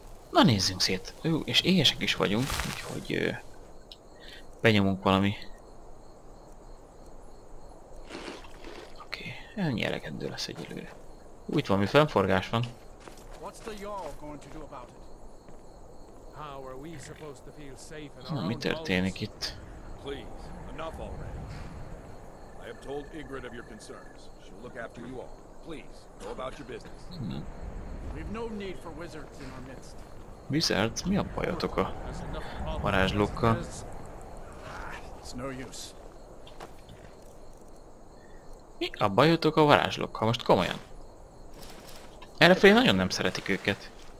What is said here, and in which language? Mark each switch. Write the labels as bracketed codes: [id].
[hu] Na nézzünk szét. Jó, és éhesek is vagyunk, úgyhogy... benyomunk valami. Oké, ennyi elegendő lesz egyelőre. Úgy van, mi fennforgás van. [en] What's the Jarl going to do about it? How are we supposed to feel safe in our [hu] own? Mi történik itt? [en] Please, enough already. I have told Ygritte of your concerns. She'll look after you all. Please, go about your business. We've no need for wizards in our midst. Wizards? [hu] Mi a bajotok a varázslókkal? [en] It's no use. [hu] Mi a bajotok a varázslókkal? Most komolyan. Errefelé nagyon nem szeretik őket.